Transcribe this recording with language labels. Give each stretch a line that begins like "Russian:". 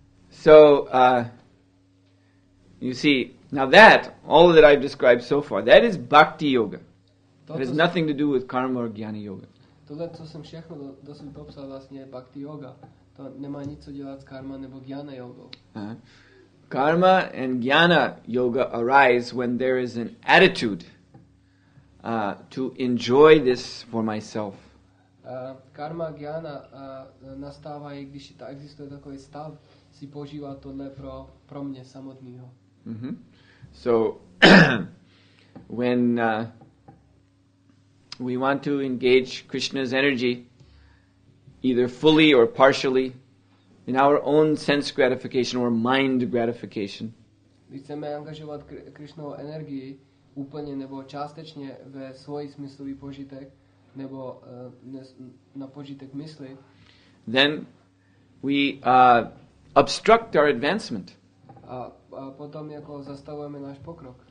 English: So, you see, now that, all that I've described so far, that is bhakti yoga. It has nothing to do with karma or jnana yoga.
Czech: Tohle, co jsem všechno dosud popsal, vlastně je bhakti yoga. To nemá nic co dělat s karma nebo jnana yogou.
English: Karma and jnana yoga arise when there is an attitude to enjoy this for myself.
Czech: karma gyana nastává, i když ta existuje takový stav, si požívá tohle pro mě samotného. Mm-hmm.
English: So when we want to engage Krishna's energy, either fully or partially, in our own sense gratification or mind gratification,
Czech: když chceme angažovat Krishnovu energii úplně nebo částečně ve svůj smyslový požitek, nebo na požitek mysli,
English: then we obstruct our advancement.
Czech: A potom jako zastavujeme náš pokrok.